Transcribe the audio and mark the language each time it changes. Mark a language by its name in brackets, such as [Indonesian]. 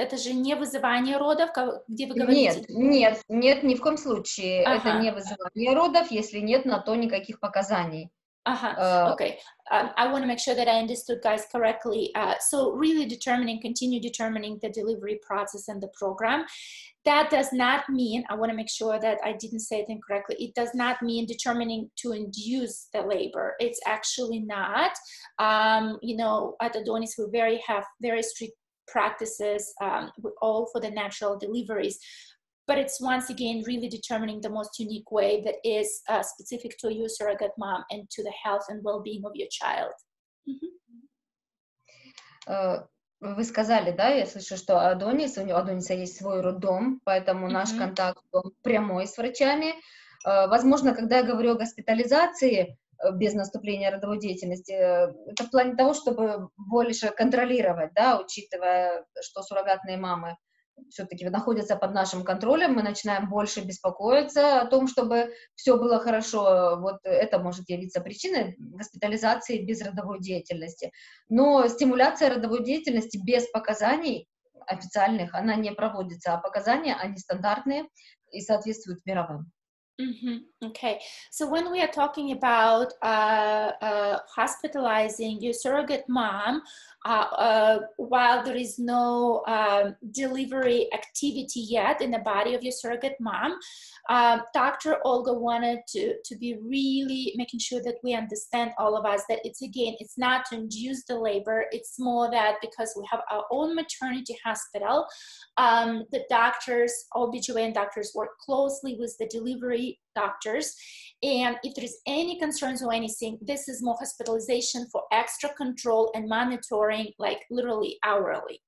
[Russian] Это же не вызывание родов, где вы говорите? Нет, нет, нет, ни в коем случае. Ага. Это не вызывание родов, если нет на то никаких показаний. Ага, okay. [English] I want to make sure that I understood guys correctly. So really determining, continue determining the delivery process and the program. That does not mean, I want to make sure that I didn't say it incorrectly, it does not mean determining to induce the labor. It's actually not. You know, at Adonis we very have very strict practices all for the natural deliveries, but it's once again really determining the most unique way that is specific to your surrogate mom and to the health and well-being of your child. Mm-hmm. [Russian] Вы сказали, да, я слышу, что Адонис, у Адониса есть свой роддом, поэтому mm-hmm. наш контакт прямой с врачами. Возможно, когда я говорю о госпитализации без наступления родовой деятельности, это в плане того, чтобы больше контролировать, да, учитывая, что суррогатные мамы все-таки находятся под нашим контролем, мы начинаем больше беспокоиться о том, чтобы все было хорошо. Вот это может явиться причиной госпитализации без родовой деятельности. Но стимуляция родовой деятельности без показаний официальных, она не проводится, а показания, они стандартные и соответствуют мировым. Mm-hmm. [English] Okay, so when we are talking about hospitalizing your surrogate mom, while there is no delivery activity yet in the body of your surrogate mom, Dr. Olga wanted to be really making sure that we understand, all of us, that it's again, it's not to induce the labor, it's more that because we have our own maternity hospital, the doctors, OBGYN doctors, work closely with the delivery doctors, and if there's any concerns or anything, this is more hospitalization for extra control and monitoring, like literally hourly.